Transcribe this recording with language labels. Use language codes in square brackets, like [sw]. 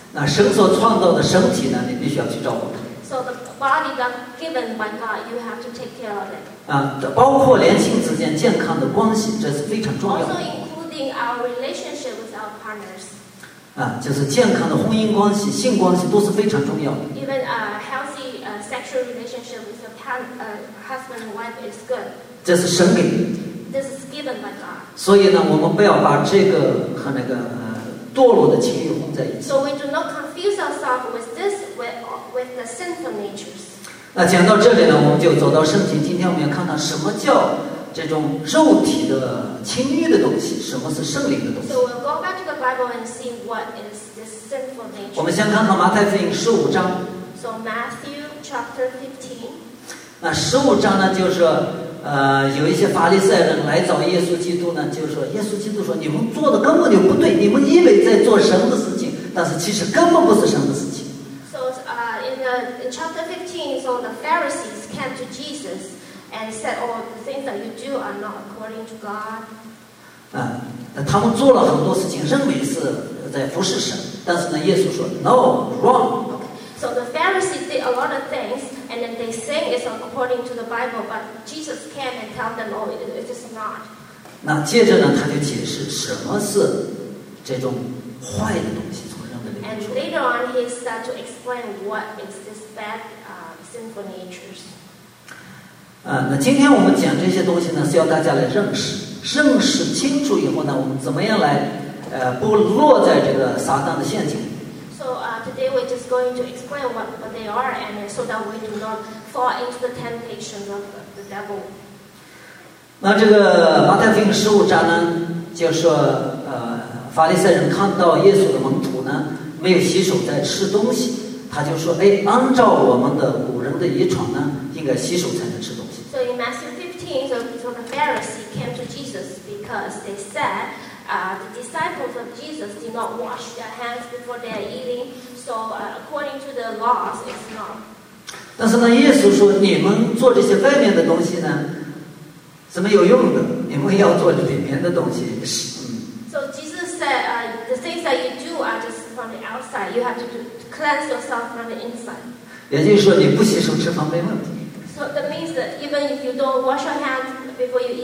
[zh] 那神所创造的身体呢，你必须要去照顾它。 [en] So the body that given by God, you have to take care of it. [zh] 包括两性之间健康的关系，这是非常重要的。 [en] Our relationship with our partners. [zh] 就是健康的婚姻关系、性关系都是非常重要的。 [en] Even a healthy sexual relationship with your husband and wife is good. [zh] 这是神给的。 [en] This is given by God. [zh] 所以呢，我们不要把这个和那个堕落的情欲混在一起。 [en] So we do not confuse ourselves with this with the sinful natures. [zh] 那讲到这里呢，我们就走到圣经。今天我们要看到什么叫。这种肉体的情欲的东西，什么是圣灵的东西？ [en] So we'll go back to the Bible and see what is this sinful nature. [zh] 我们先看看马太福音十五章。 [en] So Matthew chapter 15. [zh] 那十五章呢，就是有一些法利赛人来找耶稣基督呢，就是说耶稣基督说，你们做的根本就不对，你们以为在做神的事情，但是其实根本不是神的事情。 [en] So in chapter 15, so the Pharisees came to Jesus.And said, oh, the things that you do are not according to God. [zh] 他们做了很多事情，认为是在服侍神，但是呢，耶稣说 ， [en] No, wrong. So the Pharisees did a lot of things, and then they say it's according to the Bible, but Jesus came and tell them, "No, it is not." [zh] 那接着呢，他就解释什么是这种坏的东西从人的里面出。 [en] And later on, he started to explain what is this bad, sinful natures. [zh] 那今天我们讲这些东西呢，是要大家来认识。认识清楚以后呢，我们怎么样来，不落在这个撒旦的陷阱 [en] ？So today we're just going to explain what they are, and so that we do not fall into the temptation of the devil. [zh] 那这个马太福音十五章呢，就说，法利赛人看到耶稣的门徒呢没有洗手在吃东西，他就说，哎，按照我们的古人的遗传呢，应该洗手才能吃东西。 [en] So in Matthew 15, so the Pharisees came to Jesus because they said, the disciples of Jesus did not wash their hands before they are eating. So according to the laws, it's not. [zh] 但是呢，耶稣说，你们做这些外面的东西呢，是没有用的。你们要做里面的东西是。 [en] So Jesus said, the things that you do are just from the outside. You have to cleanse yourself from the inside. [zh] 也就是说，你不洗手吃饭没问题。 [en] So that means that even if you don't wash your hands before